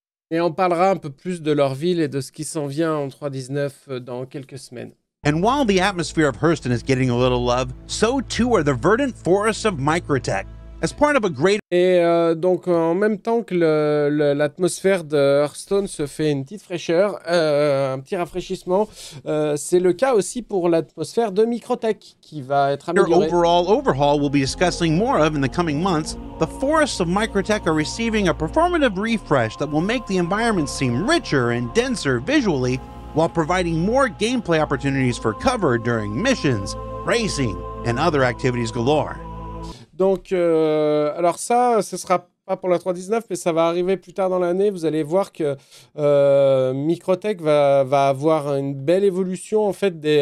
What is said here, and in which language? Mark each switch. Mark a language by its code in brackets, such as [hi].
[fr] Et on parlera un peu plus de leur ville et de ce qui s'en vient en 319 dans quelques semaines. [en] And while the atmosphere of Hurston is getting a little love, so too are the verdant forests of Microtech. As part of a great... [fr] Et donc, en même temps que l'atmosphère de Hearthstone se fait une petite fraîcheur, un petit rafraîchissement, c'est le cas aussi pour l'atmosphère de Microtech qui va être améliorée. [en] Your overall overhaul we'll be discussing more of in the coming months, the forests of Microtech are receiving a performative refresh that will make the environment seem richer and denser visually, while providing more gameplay opportunities for cover during missions, racing, and other activities galore. [fr] Donc, alors ça, ce ne sera pas pour la 3.19, mais ça va arriver plus tard dans l'année. Vous allez voir que Microtech va avoir une belle évolution, en fait,